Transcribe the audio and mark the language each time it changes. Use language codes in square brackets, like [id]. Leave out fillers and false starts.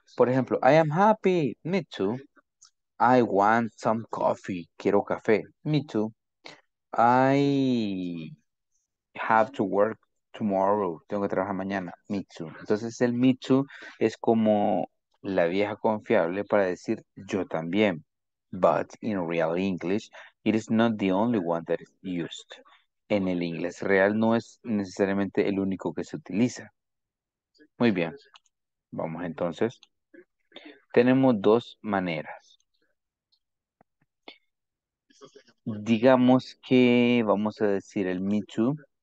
[es] Por ejemplo, [en] I am happy, me too. I want some coffee. [es] Quiero café. [en] Me too. I have to work tomorrow. [es] Tengo que trabajar mañana. [en] Me too. [es] Entonces el me too es como la vieja confiable para decir yo también. [en] But in real English, it is not the only one that is used. [es] en el inglés. Real no es necesariamente el único que se utiliza. Muy bien. Vamos entonces. Tenemos dos maneras. Digamos que vamos a decir el me too.